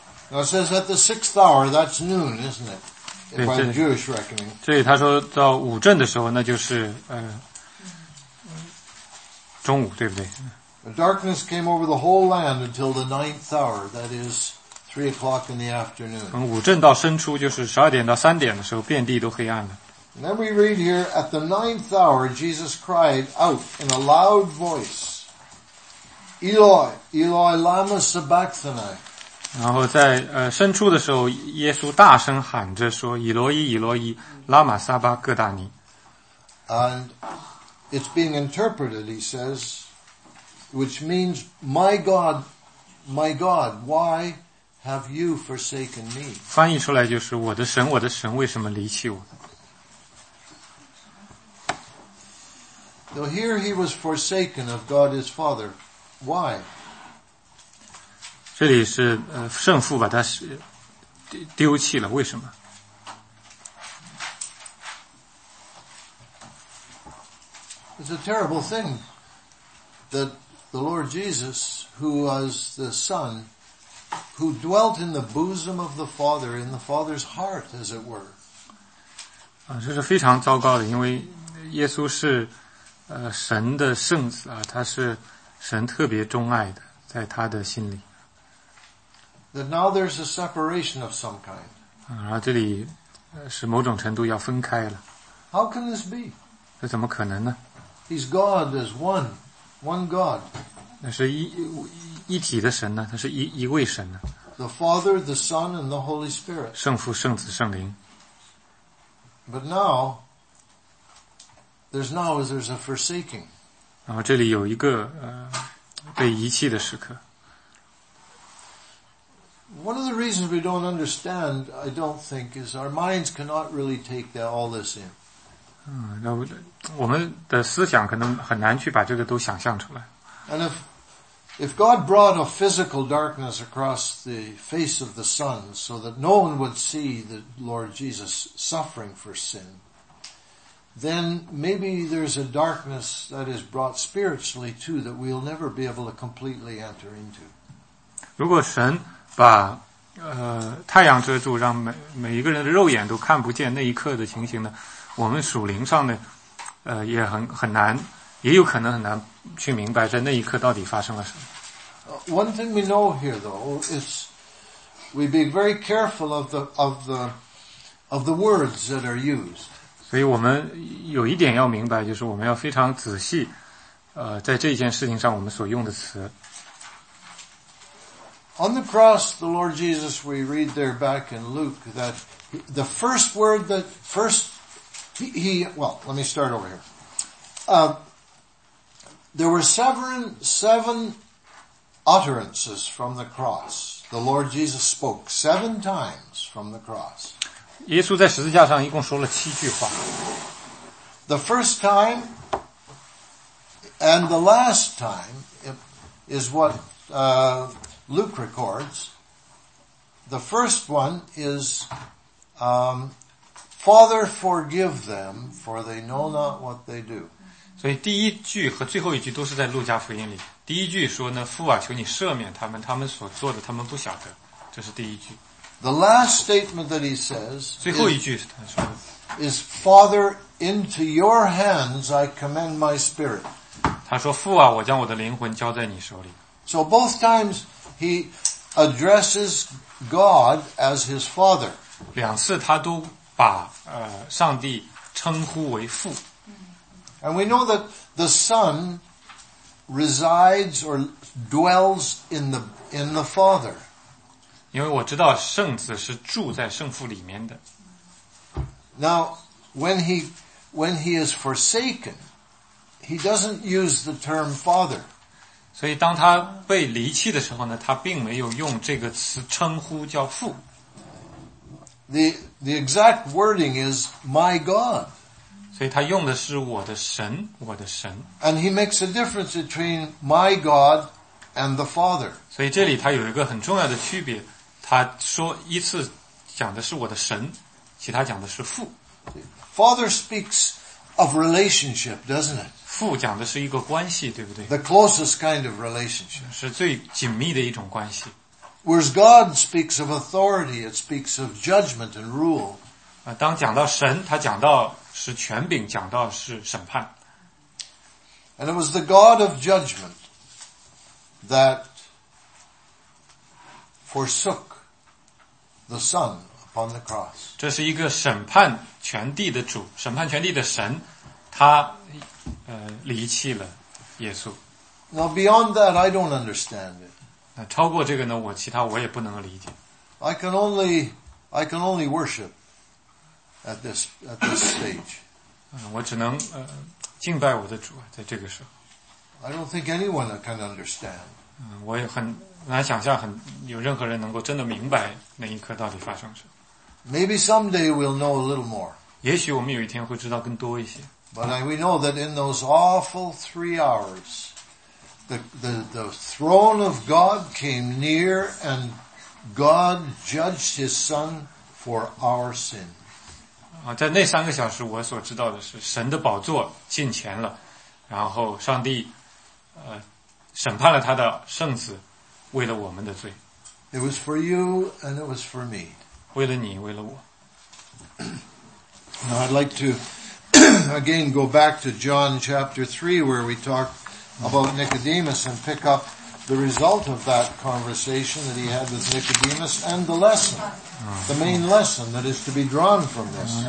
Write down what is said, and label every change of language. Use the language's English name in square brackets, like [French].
[English] Now it says at the sixth hour, that's noon, isn't it? By the Jewish reckoning. [Chinese] 这里他说到午镇的时候，那就是中午，对不对？ [English] The darkness came over the whole land until the ninth hour, that is 3:00 in the afternoon. [Chinese] 从午镇到深处，就是十二点到三点的时候，遍地都黑暗了。 [English] Then we read here at the ninth hour, Jesus cried out in a loud voice, [Aramaic] "Eloi, Eloi, lama sabachthani." [Chinese] 然后在深处的时候，耶稣大声喊着说，以罗伊，以罗伊，拉玛撒巴各大尼。 [English] And it's being interpreted, he says, which means, my God, my God, why have you forsaken me? [Chinese] 翻译出来就是我的神，我的神，为什么离弃我？ [English] So here he was forsaken of God his Father. Why? [Chinese] 这里是圣父把他丢弃了，为什么？ [English] It's a terrible thing that the Lord Jesus, who was the Son, who dwelt in the bosom of the Father, in the Father's heart, as it were. [Chinese] 这是非常糟糕的，因为耶稣是神的圣子啊，他是神特别钟爱的，在他的心里。 [English] That now there's a separation of some kind. [Chinese] 然后这里是某种程度要分开了。 [English] How can this be? [Chinese] 这怎么可能呢？ [English] He's God as one, one God. [Chinese] 那是一体的神呢，他是一位神呢。 [English] The Father, the Son, and the Holy Spirit. [Chinese] 圣父、圣子、圣灵。 [English] But now, there's a forsaking. [Chinese] 然后这里有一个被遗弃的时刻。 [English] One of the reasons we don't understand, I don't think, is our minds cannot really take all this in. [Chinese] 那我们的思想可能很难去把这个都想象出来。 [English] And if God brought a physical darkness across the face of the sun so that no one would see the Lord Jesus suffering for sin, then maybe there's a darkness that is brought spiritually too that we'll never be able to completely enter into. [Chinese] 如果神把太阳遮住，让每一个人的肉眼都看不见那一刻的情形呢，我们属灵上呢也很难，也有可能很难去明白在那一刻到底发生了什么。 [English] One thing we know here, though, is we be very careful of the words that are used. [Chinese] 所以我们有一点要明白，就是我们要非常仔细，在这件事情上我们所用的词。 [English] On the cross, the Lord Jesus, we read there back in Luke that the first word that first he well, let me start over here. There were seven utterances from the cross. The Lord Jesus spoke seven times from the cross. [Chinese] 耶稣在十字架上一共说了七句话。 [English] The first time and the last time is what Luke records. The first one is, Father, forgive them, for they know not what they do. [Chinese] 所以第一句和最后一句都是在路加福音里。第一句说呢，父啊，求你赦免他们，他们所做的他们不晓得。这是第一句。 [English] The last statement that he says, [Chinese] 最后一句是他说的， [English] is Father, into your hands I commend my spirit. [Chinese] 他说，父啊，我将我的灵魂交在你手里。 [English] So both times, He addresses God as his father. [Chinese] 两次他都把上帝称呼为父。 [English] And we know that the Son resides or dwells in the Father. [Chinese] 因为我知道圣子是住在圣父里面的。 [English] Now, when he is forsaken, he doesn't use the term father. [Chinese] 所以当他被离弃的时候呢，他并没有用这个词称呼叫父。 [English] The exact wording is my God. [Chinese] 所以他用的是我的神，我的神。 [English] And he makes a difference between my God and the Father. [Chinese] 所以这里他有一个很重要的区别，他说一次讲的是我的神，其他讲的是父。 [English] Father speaks of relationship, doesn't it? [Chinese] 父讲的是一个关系，对不对？ [English] The closest kind of relationship. [Chinese] 是最紧密的一种关系。 [English] Whereas God speaks of authority, it speaks of judgment and rule. [Chinese] 当讲到神，他讲到是权柄，讲到是审判。 [English] And it was the God of judgment that forsook the Son upon the cross. [Chinese] 这是一个审判全地的主，审判全地的神，他离弃了耶稣。 [English] Now beyond that, I don't understand it. [Chinese] 那超过这个呢？我其他我也不能理解。 [English] I can only worship at this stage. [Chinese] 我只能敬拜我的主，在这个时候。 [English] I don't think anyone can understand. [Chinese] 我也很难想象有任何人能够真的明白那一刻到底发生什么。 [English] Maybe someday we'll know a little more. [Chinese] 也许我们有一天会知道更多一些。 [English] But we know that in those awful 3 hours, the throne of God came near and God judged his son for our sin. [Chinese] 在那三个小时我所知道的是神的宝座近前了，然后上帝审判了他的圣子，为了我们的罪。 [English] It was for you and it was for me. [Chinese] 为了你，为了我。 [English] Now I'd like to again go back to John chapter 3 where we talked about Nicodemus and pick up the result of that conversation that he had with Nicodemus and the lesson, the main lesson that is to be drawn from this.